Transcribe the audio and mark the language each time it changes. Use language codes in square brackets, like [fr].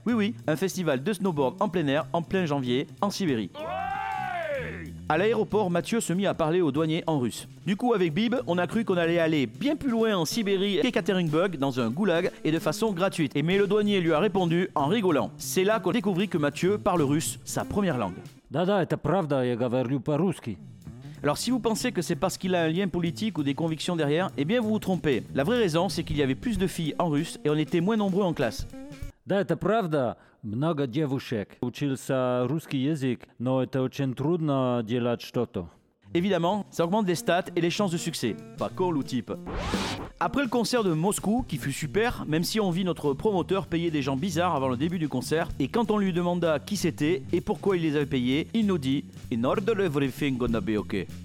[fr] Oui, oui, un festival de snowboard en plein air, en plein janvier, en Sibérie. À l'aéroport, Mathieu se mit à parler aux douaniers en russe. Du coup, avec Bib, on a cru qu'on allait aller bien plus loin en Sibérie qu'Ekaterinburg, dans un goulag, et de façon gratuite. Et mais le douanier lui a répondu en rigolant. C'est là qu'on découvrit que Mathieu parle russe, sa première langue. [ru] Да-да, это правда, я говорю по-русски. [fr] Alors si vous pensez que c'est parce qu'il a un lien politique ou des convictions derrière, eh bien vous vous trompez. La vraie raison, c'est qu'il y avait plus de filles en russe et on était moins nombreux en classe. [ru] Да, это правда. Много девушек. Учился русский язык, но это очень трудно делать что-то. [fr] Évidemment, ça augmente les stats et les chances de succès. Pas cool ou type. Après le concert de Moscou, qui fut super, même si on vit notre promoteur payer des gens bizarres avant le début du concert, et quand on lui demanda qui c'était et pourquoi il les avait payés, il nous dit « [en] In order everything gonna be okay ».